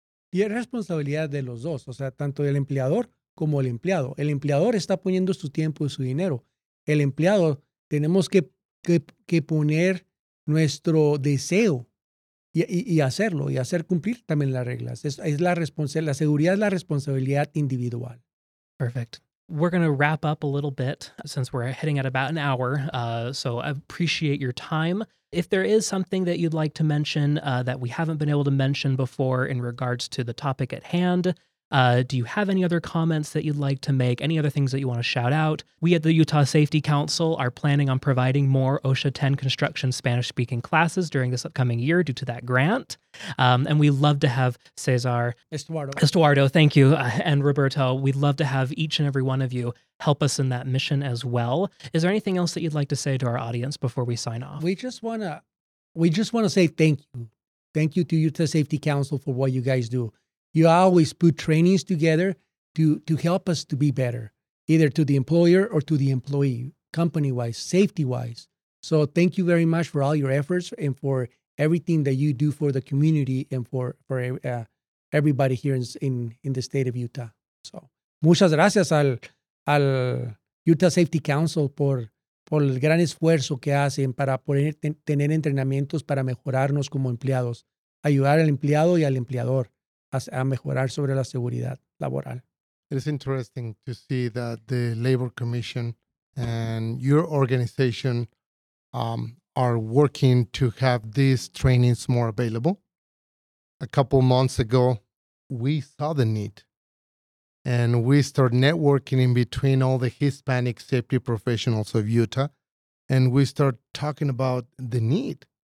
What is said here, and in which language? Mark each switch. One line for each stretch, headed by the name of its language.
Spanish: Y es responsabilidad de los dos, o sea, tanto del empleador como el empleado. El empleador está poniendo su tiempo y su dinero. El empleado, tenemos que poner nuestro deseo y hacerlo, y hacer cumplir también las reglas. Es la responsabilidad, la seguridad es la responsabilidad individual.
English: Perfect. We're going to wrap up a little bit since we're hitting at about an hour. So I appreciate your time. If there is something that you'd like to mention that we haven't been able to mention before in regards to the topic at hand, do you have any other comments that you'd like to make? Any other things that you want to shout out? We at the Utah Safety Council are planning on providing more OSHA 10 construction Spanish-speaking classes during this upcoming year due to that grant. And we'd love to have Cesar. Estuardo, thank you. And Roberto, we'd love to have each and every one of you help us in that mission as well. Is there anything else that you'd like to say to our audience before we sign off? We just want to say thank you. Thank you to Utah Safety Council for what you guys do. You always put trainings together to help us to be better, either to the employer or to the employee, company-wise, safety-wise. So thank you very much for all your efforts and for everything that you do for the community and for everybody here in the state of Utah.
Spanish: So muchas gracias al Utah Safety Council por el gran esfuerzo que hacen para poder tener entrenamientos para mejorarnos como empleados, ayudar al empleado y al empleador a mejorar sobre la seguridad laboral.
English: It is interesting to see that the Labor Commission and your organization are working to have these trainings more available. A couple months ago, we saw the need and we started networking in between all the Hispanic safety professionals of Utah, and we started talking about the need.